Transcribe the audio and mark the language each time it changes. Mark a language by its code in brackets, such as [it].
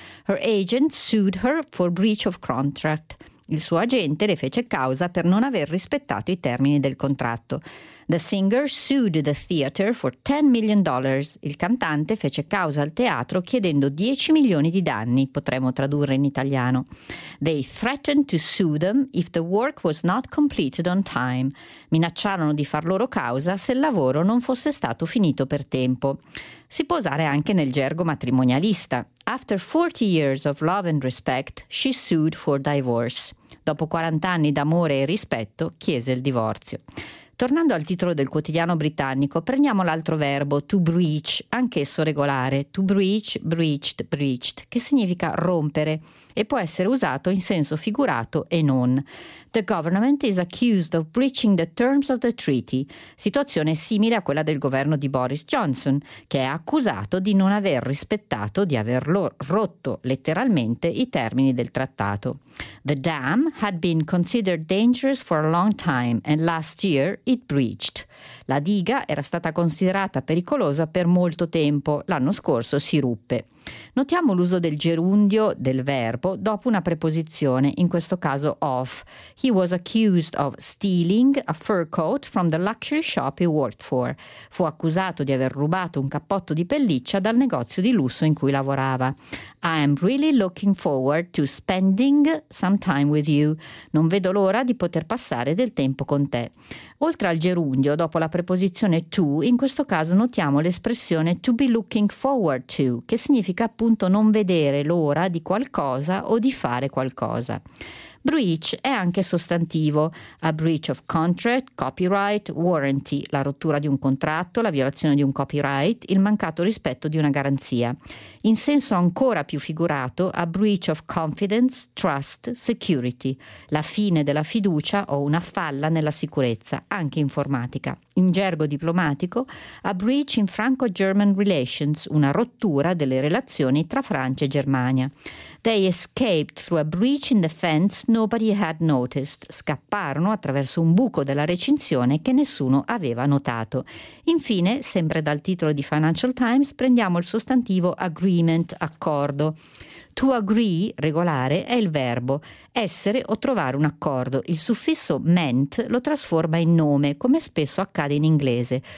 [en] Her agent sued her for breach of contract. [it] Il suo agente le fece causa per non aver rispettato i termini del contratto. [en] The singer sued the theater for $10 million. [it] Il cantante fece causa al teatro chiedendo 10 milioni di danni, potremmo tradurre in italiano. [en] They threatened to sue them if the work was not completed on time. [it] Minacciarono di far loro causa se il lavoro non fosse stato finito per tempo. Si può usare anche nel gergo matrimonialista. [en] After 40 years of love and respect, she sued for divorce. [it] Dopo 40 anni d'amore e rispetto, chiese il divorzio. Tornando al titolo del quotidiano britannico, prendiamo l'altro verbo, to breach, anch'esso regolare, to breach, breached, breached, che significa rompere e può essere usato in senso figurato e non. [en] The government is accused of breaching the terms of the treaty, [it] situazione simile a quella del governo di Boris Johnson, che è accusato di non aver rispettato, di averlo rotto letteralmente, i termini del trattato. [en] The dam had been considered dangerous for a long time and last year it breached. [it] La diga era stata considerata pericolosa per molto tempo, l'anno scorso si ruppe. Notiamo l'uso del gerundio del verbo dopo una preposizione, in questo caso of. [en] He was accused of stealing a fur coat from the luxury shop he worked for. [it] Fu accusato di aver rubato un cappotto di pelliccia dal negozio di lusso in cui lavorava. [en] I am really looking forward to spending some time with you. [it] Non vedo l'ora di poter passare del tempo con te. Oltre al gerundio, dopo la preposizione to, in questo caso notiamo l'espressione [en] to be looking forward to, [it] che significa appunto non vedere l'ora di qualcosa o di fare qualcosa. Breach è anche sostantivo, [en] a breach of contract, copyright, warranty, [it] la rottura di un contratto, la violazione di un copyright, il mancato rispetto di una garanzia. In senso ancora più figurato, [en] a breach of confidence, trust, security, [it] la fine della fiducia o una falla nella sicurezza, anche informatica. In gergo diplomatico, [en] a breach in Franco-German relations, [it] una rottura delle relazioni tra Francia e Germania. [en] They escaped through a breach in the fence nobody had noticed. [it] Scapparono attraverso un buco della recinzione che nessuno aveva notato. Infine, sempre dal titolo di Financial Times, prendiamo il sostantivo agreement, accordo. To agree, regolare, è il verbo essere o trovare un accordo. Il suffisso meant lo trasforma in nome, come spesso accade in inglese.